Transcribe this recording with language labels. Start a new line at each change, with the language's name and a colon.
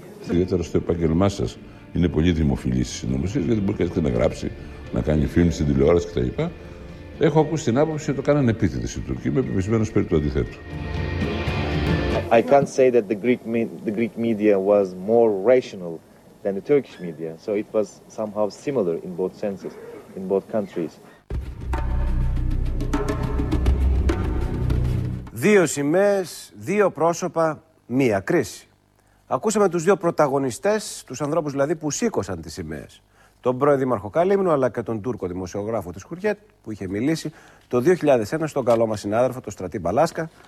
Greek: Ιδιαίτερα στο επάγγελμά σας είναι πολύ δημοφιλής η συνωμοσία, γιατί μπορεί κάτι να γράψει, να κάνει φιλμ στην τηλεόραση κτλ. Έχω ακούσει την άποψη ότι το κάνανε επίτηδες οι Τουρκοί, με επιπισμένος περί του αντιθέτου.
English: I can't say that the Greek media was more rational than the Turkish media, so it was somehow similar in both senses, in both countries.
Greek: Δύο σημαίες, δύο πρόσωπα, μία κρίση. Ακούσαμε τους δύο πρωταγωνιστές, τους ανθρώπους δηλαδή που σήκωσαν τις σημαίες. Τον πρώην δήμαρχο Καλύμνου αλλά και τον Τούρκο δημοσιογράφο της Χουριέτ που είχε μιλήσει το 2001 στον καλό μας συνάδελφο, τον Στρατή Μπαλάσκα.